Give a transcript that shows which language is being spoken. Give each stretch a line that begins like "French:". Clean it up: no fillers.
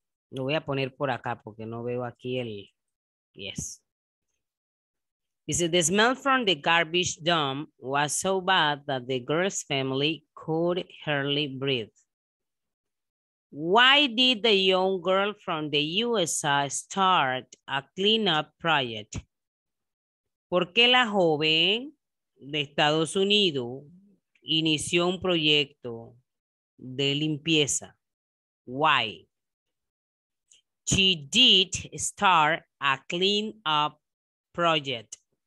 Spanish: Lo voy a poner por acá porque no veo aquí el...
English: Yes. Dice, the smell from the garbage dump was so bad that the girl's family could hardly breathe. Why did the young girl from the USA start a cleanup project?
Spanish: ¿Por qué la joven de Estados Unidos inició un proyecto de limpieza?
English: Why? She did start a clean up project.